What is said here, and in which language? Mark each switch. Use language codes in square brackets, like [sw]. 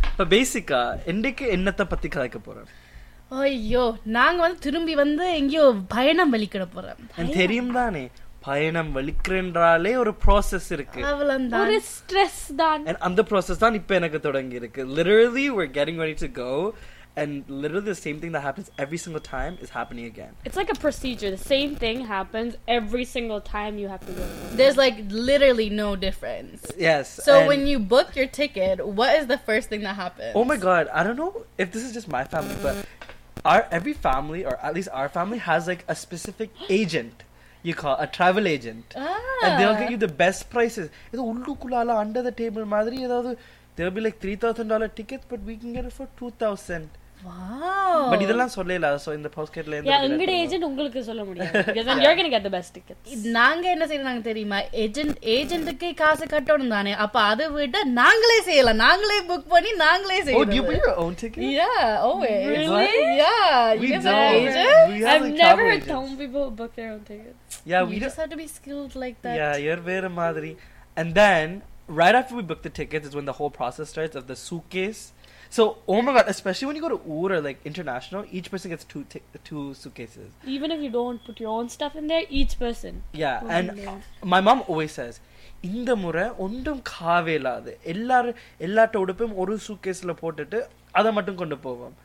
[ta] இப்போ பேசிக்கா இன்றைக்கு என்னத்தை பற்றி கதைக்க போகிறோம்? ஐயோ, நாங்கள் வந்து திரும்பி வந்து எங்கேயோ பயணம் வலிக்கிட போகிறோம். தெரியும் தானே, பயணம் வலிக்கிறன்றாலே ஒரு ப்ராசஸ் இருக்கு, ஒரு ஸ்ட்ரெஸ் தான். அந்த ப்ராசஸ் தான் இப்போ எனக்கு தொடங்கி இருக்கு. [en] Literally, we're getting ready to go. And literally the same thing that happens every single time is happening again. It's like a procedure. The same thing happens every single time you have to go. There's like literally no difference. Yes. So when you book your ticket, what is the first thing that happens? Oh my God. I don't know if this is just my family, but every family, or at least our family, has like a specific agent. You call a travel agent. Ah. And they'll get you the best prices. Under the table, there'll be like $3,000 tickets, but we can get it for $2,000. Wow. But [ta] இதெல்லாம் சொல்லல, [en] so in the postcard [ta] ல இந்த Yeah, உங்க agent உங்களுக்கு சொல்ல முடியாது. [en] Because you're going to get the best tickets. [ta] நாங்க என்ன செய்யறாங்க தெரியுமா? ஏஜென்ட்க்கு காசு கட்டணும் தானே. அப்ப அதை விட நாங்களே செய்யல. நாங்களே book பண்ணி நாங்களே செய்யறோம். [en] Oh, do you book your own ticket? Yeah, always. Really? Yeah. We don't. I've never told people to book their own tickets. Yeah, we just have to be skilled like that. Yeah, you're [ta] வேற மாதிரி. [en] And then right after we book the tickets is when the whole process starts of the suitcase. So, oh my God, especially when you go to UR or like international, each person gets two suitcases. Even if you don't put your own stuff in there, each person. Yeah, and my mom always says, [ta] இந்த முறை ஒன்றும் காவேலாது. எல்லாட்ட உடுப்பையும் ஒரு சூட்கேஸில் போட்டுட்டு அதை மட்டும் கொண்டு போவோம்.